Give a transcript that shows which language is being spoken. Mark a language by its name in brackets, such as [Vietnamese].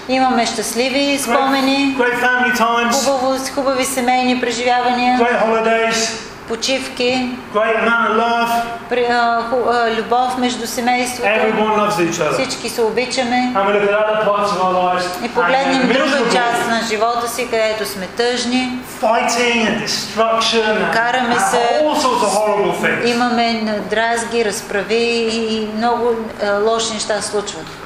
[Bulgarian] Имаме щастливи спомени. [English] Great family times. [Bulgarian] Хубави семейни преживявания. [English] Great holidays. [Bulgarian] Почивки. [English] Great amount of love. [Bulgarian] Любов между семейството. [English] Everyone loves each other. [Bulgarian] Всички се обичаме. [English] And we look at other parts of our lives. [Bulgarian] И погледнем друга част на живота си, където сме тъжни. [English] Fighting and destruction. [Bulgarian] Караме се. [English] All sorts of horrible things. [Bulgarian] Имаме дразги, разправи и много лоши неща случват.